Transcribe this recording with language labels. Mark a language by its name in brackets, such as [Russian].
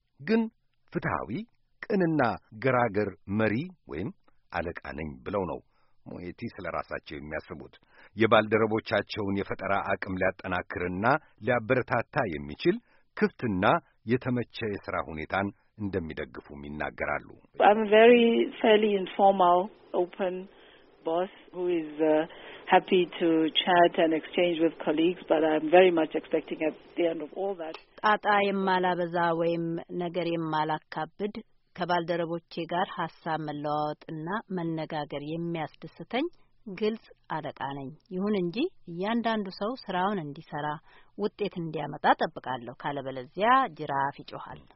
[Amharic] ግን ፍትሃዊ ቅንና ገራገር መሪ ወይም አለቃ ነኝ ብለው ነው ሞየቲ ስለ ራሳቸው የሚያስቡት። የባልደረቦቻቸውን የፈጠራ አቅም ሊያጠናክርና ሊያበረታታ የሚችል ክፍትና የተመቸ የሥራ ሁኔታን እንደሚደግፉም ይናገራሉ። [English] I'm a very fairly informal, open boss who is happy to chat and exchange with colleagues, but I'm very much expecting at the end of all that [Amharic] ጣጣ የማላበዛ ወይም ነገር የማላካብድ ከባልደረቦቼ ጋር ሐሳብ መለዋወጥና መነጋገር የሚያስደስተኝ ግልጽ አለቃ ነኝ። ይሁን እንጂ እያንዳንዱ ሰው ስራውን እንዲሰራ ውጤት እንዲያመጣ ጠብቃለሁ። ካለበለዚያ ጅራፍ ይጮሃል።